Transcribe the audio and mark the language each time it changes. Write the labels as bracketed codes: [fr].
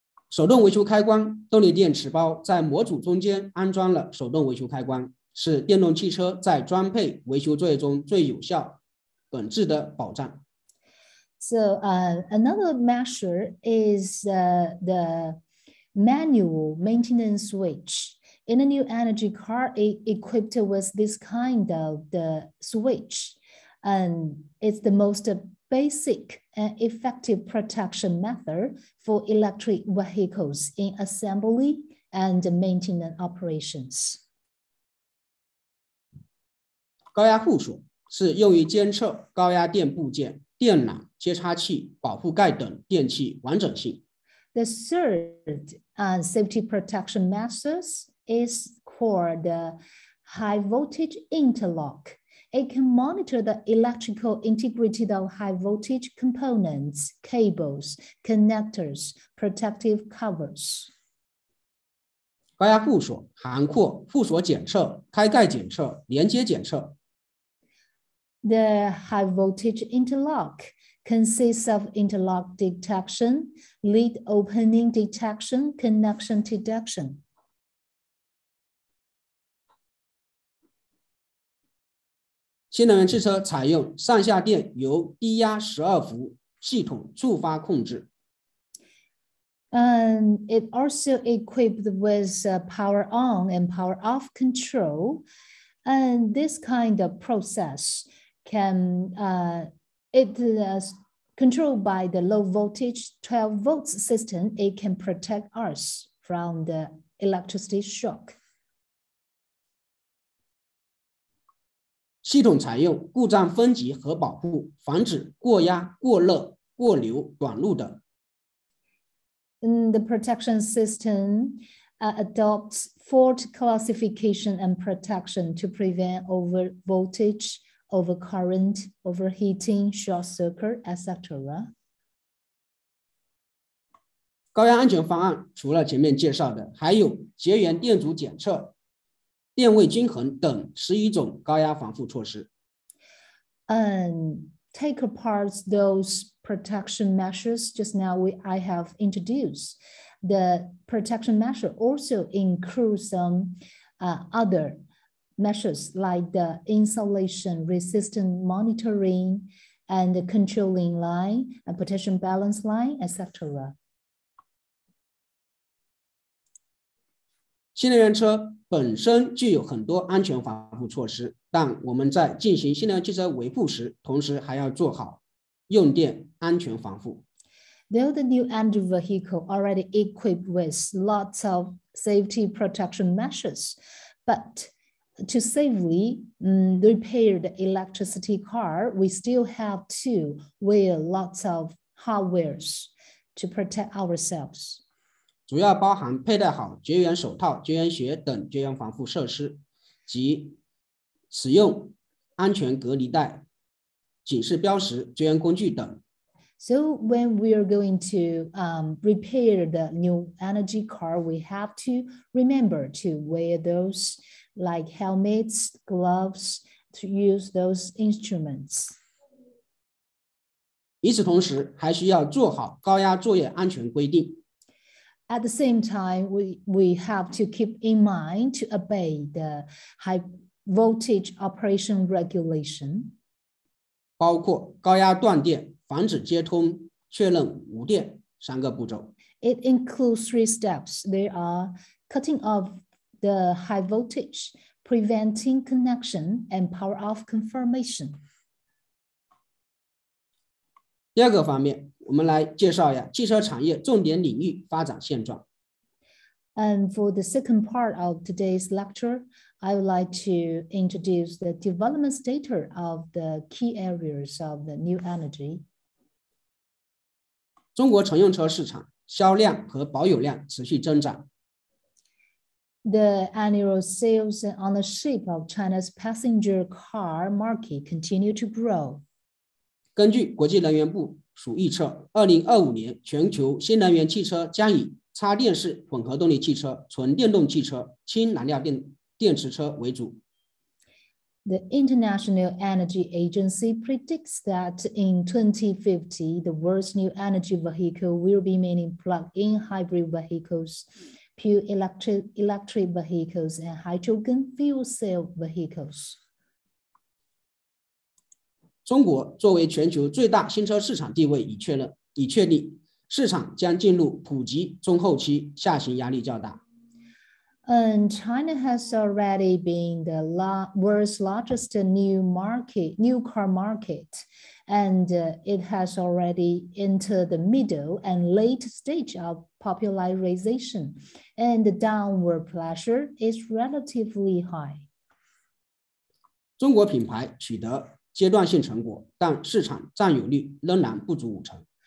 [zh] 手动维修开关，动力电池包在模组中间安装了手动维修开关，是电动汽车在装配维修作业中最有效。 [en] So another measure is the manual maintenance switch. In a new energy car, it equipped with this kind of the switch, and it's the most basic and effective protection method for electric vehicles in assembly and maintenance operations. [zh] 高压护锁是用于监测高压电部件、电缆、接插器、保护盖等电器完整性。 [en] The third safety protection measures is called the high voltage interlock. It can monitor the electrical integrity of high voltage components, cables, connectors, protective covers. [zh] 高压护锁涵括护锁检测、开盖检测、连接检测。 [en] The high voltage interlock consists of interlock detection, lead opening detection, connection detection. [zh] 新能源汽车采用上下电由低压12伏系统触发控制。 [en] It also equipped with power on and power off control. And this kind of process is controlled by the low voltage 12 volts system. It can protect us from the electricity shock. [zh] 系统采用故障分级和保护，防止过压、过热、过流、短路等。 [en] The protection system adopts fault classification and protection to prevent over voltage overcurrent, overheating, short circuit, etc. [zh] 高压安全方案除了前面介绍的，还有绝缘电阻检测、电位均衡等11种高压防护措施。 [en] Take apart those protection measures just now I have introduced. The protection measure also includes some other measures like the insulation resistant monitoring and the controlling line and potential balance line, etc. [zh] 新能源车本身具有很多安全防护措施，但我们在进行新能源汽车维护时，同时还要做好用电安全防护。 [en] Though the new energy vehicle already equipped with lots of safety protection measures, but to safely repair the electricity car, we still have to wear lots of hardware to protect ourselves. [zh] 主要包含佩戴好绝缘手套、绝缘鞋等绝缘防护设施，及使用安全隔离带、警示标识、绝缘工具等。 [en] So when we are going to repair the new energy car, we have to remember to wear those like helmets, gloves, to use those instruments. [zh] 与此同时，还需要做好高压作业安全规定。 [en] At the same time, we have to keep in mind to obey the high voltage operation regulation. [zh] 包括高压断电、防止接通、确认无电三个步骤。 [en] It includes three steps. They are cutting off the high voltage, preventing connection, and power off confirmation. [zh] 第二个方面。我们来介绍一下汽车产业重点领域发展现状。 [en] For the second part of today's lecture, I would like to introduce the development status of the key areas of the new energy. [zh] 中国乘用车市场销量和保有量持续增长。 [en] The annual sales and ownership of China's passenger car market continue to grow. [zh] 根据国际能源部属预测，2025年全球新能源汽车将以插电式混合动力汽车、纯电动汽车、氢燃料电池车为主。 [en] The International Energy Agency predicts that in 2050, the world's new energy vehicle will be mainly plug-in hybrid vehicles, pure electric vehicles, and hydrogen fuel cell vehicles. [zh] 中国作为全球最大新车市场地位已确立，市场将进入普及中后期，下行压力较大。 [en] China has already been the world's largest new car market, and it has already entered the middle and late stage of popularization, and the downward pressure is relatively high. [zh] 中国品牌取得阶段性成果，但市场占有率仍然不足五成。